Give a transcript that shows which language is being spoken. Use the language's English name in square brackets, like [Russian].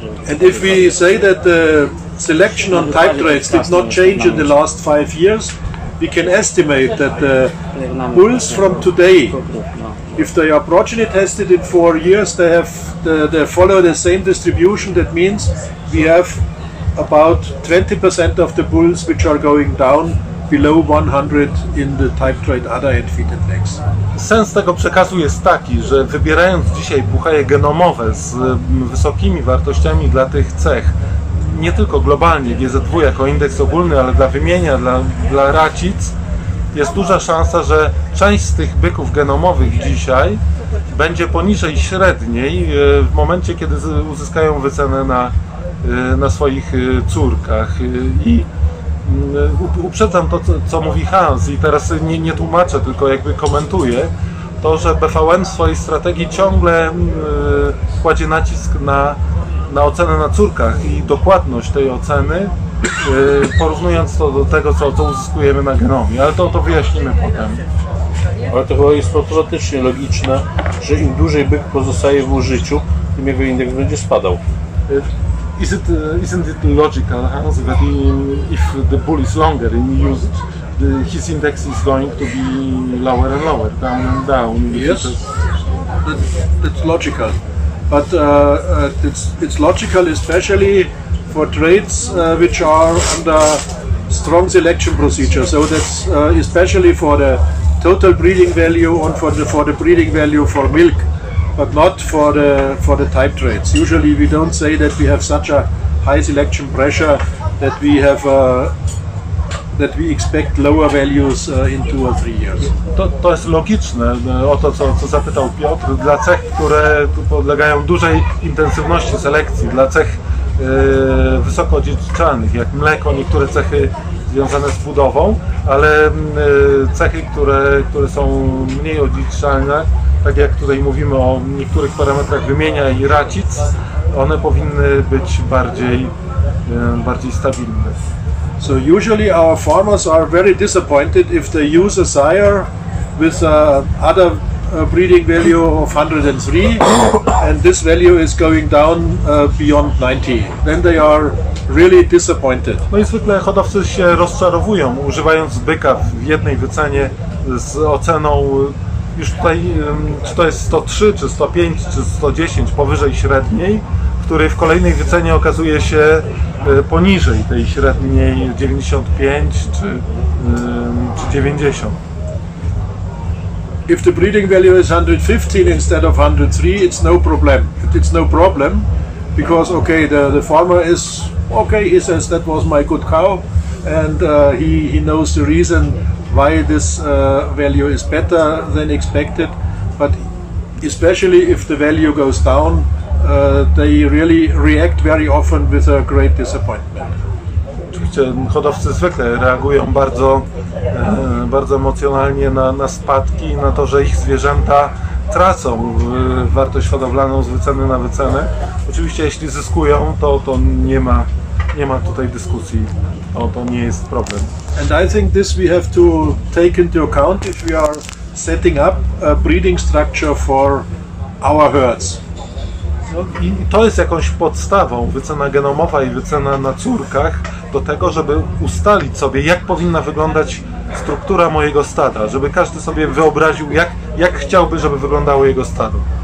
[English] And if we say that the selection on type traits did not change in the last 5 years, we can estimate that the bulls from today, if they are progeny tested in 4 years, they follow the same distribution. That means we have about 20% of the bulls which are going down below 100 in the type trait udder and feet and legs. [Polish] Sens tego przekazu jest taki, że wybierając dzisiaj buchaje genomowe z wysokimi wartościami dla tych cech, nie tylko globalnie GZW jako indeks ogólny, ale dla wymienia, dla racic, jest duża szansa, że część z tych byków genomowych dzisiaj będzie poniżej średniej w momencie, kiedy uzyskają wycenę na swoich córkach. I uprzedzam to, co mówi Hans i teraz nie tłumaczę, tylko jakby komentuję to, że BVN w swojej strategii ciągle kładzie nacisk na ocenę na córkach i dokładność tej oceny, porównując to do tego, co uzyskujemy na genomie, ale to wyjaśnimy potem. Ale to chyba jest matematycznie logiczne, że im dłużej byk pozostaje w użyciu, tym jego indeks będzie spadał. [English] Isn't it logical, Hans, that if the bull is longer in use, his index is going to be lower and lower, down and down? Yes, that's logical. But it's logical especially for traits which are under strong selection procedure. So that's especially for the total breeding value and for the breeding value for milk, but not for the type traits. Usually we don't say that we have such a high selection pressure that we have that we expect lower values in 2 or 3 years. [Polish] To jest logiczne, o to, co zapytał Piotr, dla cech, które podlegają dużej intensywności selekcji, dla cech wysoko odziedziczalnych, jak mleko, niektóre cechy związane z budową, ale cechy, które są mniej odziedziczalne, tak jak tutaj mówimy o niektórych parametrach wymienia i racic, one powinny być bardziej stabilne. [English] So usually our farmers are very disappointed if they use a sire with a udder breeding value of 103 and this value is going down beyond 90. Then they are really disappointed. [Polish] No i zwykle hodowcy się rozczarowują, używając byka w jednej wycenie z oceną już tutaj, czy to jest 103, czy 105, czy 110 powyżej średniej, który w kolejnej wycenie okazuje się poniżej tej średniej 95 czy 90. [English] If the breeding value is 115 instead of 103, it's no problem. It's no problem because okay, the farmer is okay, he says that was my good cow and he knows the reason why this value is better than expected, but especially if the value goes down, they really react very often with a great disappointment. [Polish] Oczywiście hodowcy zwykle reagują bardzo, bardzo emocjonalnie na spadki i na to, że ich zwierzęta tracą wartość hodowlaną z wyceny na wycenę. Oczywiście jeśli zyskują, to nie ma Nie ma tutaj dyskusji. To nie jest problem. [English] And I think this we have to take into account if we are setting up a breeding structure for our herds. [Polish] No, i to jest jakąś podstawą, wycena genomowa i wycena na córkach, do tego, żeby ustalić sobie, jak powinna wyglądać struktura mojego stada, żeby każdy sobie wyobraził, jak chciałby, żeby wyglądało jego stado.